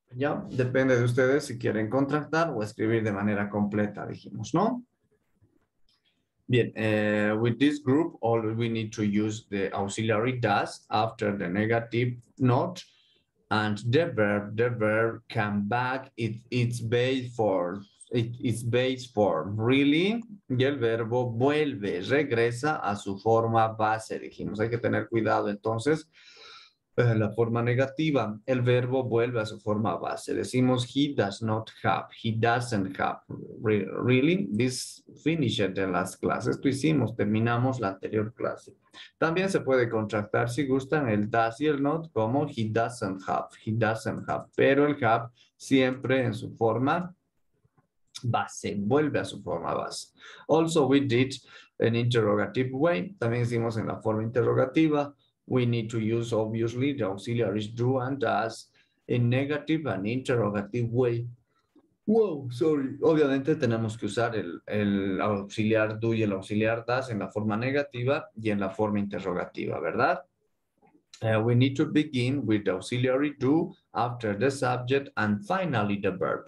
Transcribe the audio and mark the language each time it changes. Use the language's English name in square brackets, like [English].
[Spanish] Ya, depende de ustedes si quieren contractar o escribir de manera completa, dijimos, ¿no? [English] Bien, with this group, all we need to use the auxiliary does after the negative not, and the verb come back, its base form, really. [Spanish] Y el verbo vuelve, regresa a su forma base, dijimos. Hay que tener cuidado, entonces, la forma negativa. El verbo vuelve a su forma base. [English] Decimos, he does not have, he doesn't have. Really, this finished in last class. [Spanish] Esto hicimos, terminamos la anterior clase. También se puede contractar, si gustan, el does y el not, como [English] he doesn't have, he doesn't have. [Spanish] Pero el have siempre en su forma base, vuelve a su forma base. [English] Also, we did an interrogative way. [Spanish] También hicimos en la forma interrogativa. [English] We need to use, obviously, the auxiliaries do and does in negative and interrogative way. Wow, sorry. [Spanish] Obviamente tenemos que usar el auxiliar do y el auxiliar does en la forma negativa y en la forma interrogativa, ¿verdad? [English] We need to begin with the auxiliary do after the subject and finally the verb.